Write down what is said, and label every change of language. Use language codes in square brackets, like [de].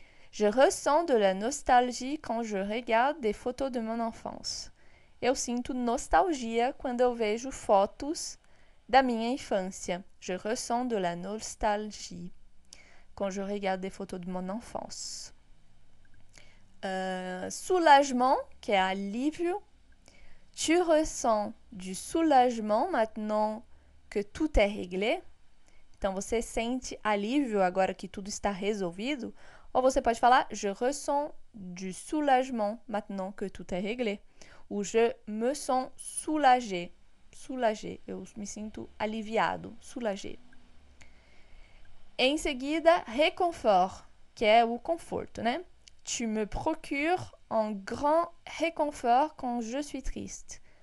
[fr] Je ressens de la nostalgie quand je regarde des photos de mon enfance. [pt] Eu sinto nostalgia quando eu vejo fotos da minha infância. [fr] Je ressens de la nostalgie quand je regarde des photos de mon enfance. [pt] Soulagement, que é alívio. [fr] Tu ressens du soulagement maintenant que tout est réglé? [pt] Então você sente alívio agora que tudo está resolvido? Ou você pode falar [fr] Je ressens du soulagement maintenant que tout est réglé. Ou je me sens soulagé. Soulagé. [pt] Eu me sinto aliviado. Soulagé. Em seguida, réconfort, que é o conforto, né? [fr] Tu me procures un grand réconfort quand je suis triste.